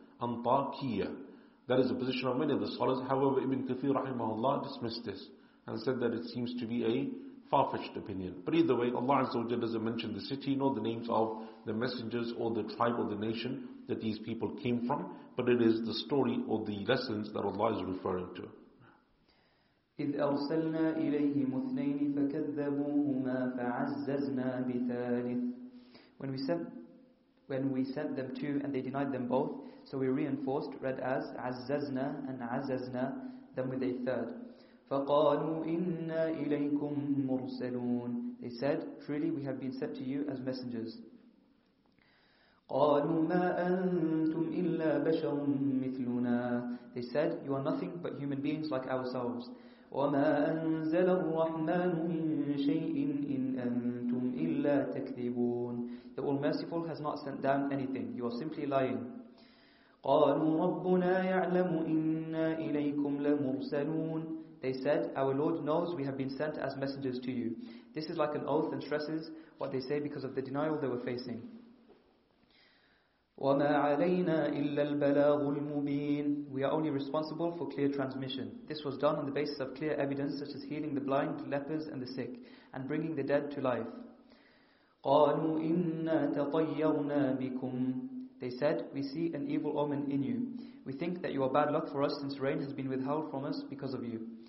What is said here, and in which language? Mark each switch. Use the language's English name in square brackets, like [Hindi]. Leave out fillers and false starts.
[English] That is the position of many of the scholars. However, Ibn Kathir rahimahullah dismissed this and said that it seems to be a far-fetched opinion. But either way, Allah Azza wa Jalla doesn't mention the city nor the names of the messengers or the tribe or the nation that these people came from, but it is the story or the lessons that Allah is referring to. [Arabic] إذ أرسلنا إليهم اثنين فكذبوهما فعززنا بثالث. [English] When we sent them two and they denied them both, so we reinforced, read as عززنا and عززنا them with a third. [Arabic] فقالوا إنا إليكم مرسلون. [English] They said, truly we have been sent to you as messengers. [Arabic] قالوا ما أنتم إلا بشر مثلنا. [English] They said, you are nothing but human beings like ourselves. [Arabic] وما أنزل الرحمن من شيء إن أنتم إلا تكذبون. [English] The All Merciful has not sent down anything. You are simply lying. [Arabic] قالوا ربنا يعلم إنا إليكم لمرسلون. [English] They said, our Lord knows we have been sent as messengers to you. This is like an oath and stresses what they say because of the denial they were facing. [Arabic] وما علينا إلا البلاغ المبين. [English] We are only responsible for clear transmission. This was done on the basis of clear evidence such as healing the blind, lepers and the sick, and bringing the dead to life. [Arabic] قالوا إنا تطيرنا بكم. [English] They said, we see an evil omen in you. We think that you are bad luck for us since rain has been withheld from us because of you.